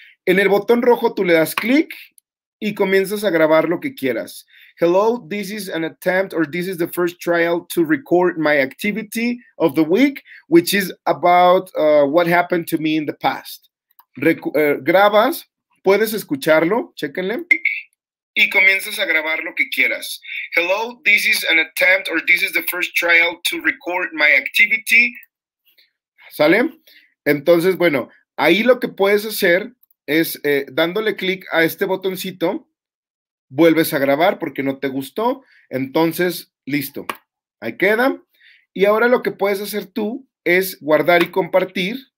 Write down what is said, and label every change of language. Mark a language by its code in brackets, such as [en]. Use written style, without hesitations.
[es] En el botón rojo tú le das clic y comienzas a grabar lo que quieras. [en] Hello, this is an attempt or this is the first trial to record my activity of the week, which is about what happened to me in the past. [es] Grabas, puedes escucharlo, chéquenle. Y comienzas a grabar lo que quieras. [en] Hello, this is an attempt or this is the first trial to record my activity. [es] ¿Sale? Entonces, bueno, ahí lo que puedes hacer es dándole clic a este botoncito, vuelves a grabar porque no te gustó. Entonces, listo. Ahí queda. Y ahora lo que puedes hacer tú es guardar y compartir.